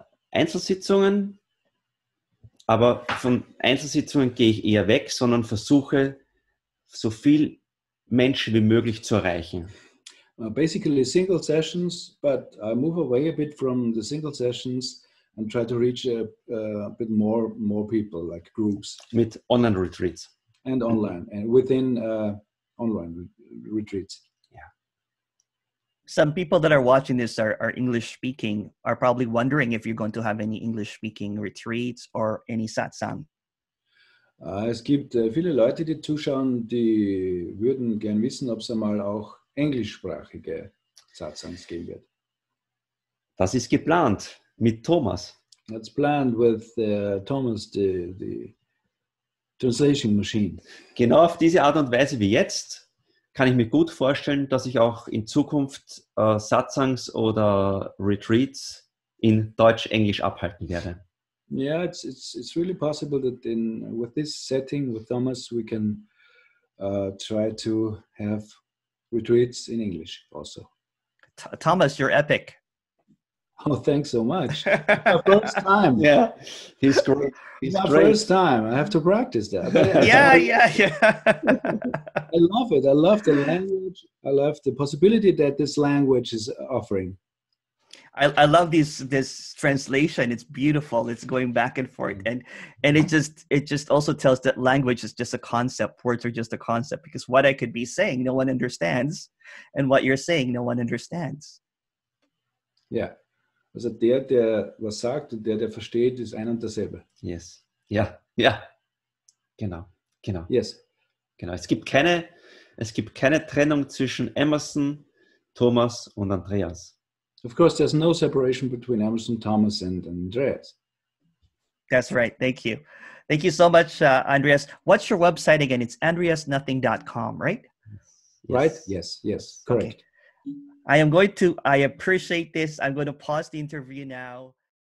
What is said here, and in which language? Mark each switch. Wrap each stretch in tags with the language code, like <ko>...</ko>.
<de>Einzelsitzungen, aber von Einzelsitzungen gehe ich eher weg, sondern versuche, so viel Menschen wie möglich zu erreichen.</de> <en>Basically single sessions, but I move away a bit from the single sessions and try to reach a bit more people, like groups.</en> <de>Mit online retreats.</de> <en>And online, and within online retreats. Some people that are watching this are English speaking, are probably wondering if you're going to have any English speaking retreats or any satsang.</en> <de>Es gibt viele Leute, die zuschauen, die würden gern wissen, ob es einmal auch englischsprachige Satsangs geben wird. Das ist geplant mit Thomas.</de> <en>That's planned with Thomas, the translation machine.</en> <de>Genau auf diese Art und Weise wie jetzt. Kann ich mir gut vorstellen, dass ich auch in Zukunft Satsangs oder Retreats in Deutsch-Englisch abhalten werde.</de> <en>Yeah, it's really possible that in with this setting with Thomas we can try to have retreats in English also. Thomas, you're epic. Oh, thanks so much. First time. Yeah, he's great. He's my great. First time. I have to practice that. Yeah. I love it. I love the language. I love the possibility that this language is offering. I love this translation. It's beautiful. It's going back and forth. And it just also tells that language is just a concept. Words are just a concept. Because what I could be saying, no one understands. And what you're saying, no one understands. Yeah.</en> <de>Also der was sagt und der versteht, ist ein und dasselbe. Yes. Ja. Genau.</de> <en>Yes.</en> <de>Genau. Es gibt keine Trennung zwischen Emerson, Thomas und Andreas.</de> <en>Of course, there's no separation between Emerson, Thomas and Andreas. That's right. Thank you. Thank you so much, Andreas. What's your website again? It's andreasnothing.com, right? Yes. Right? Yes. Correct. Okay. I appreciate this. I'm going to pause the interview now.</en>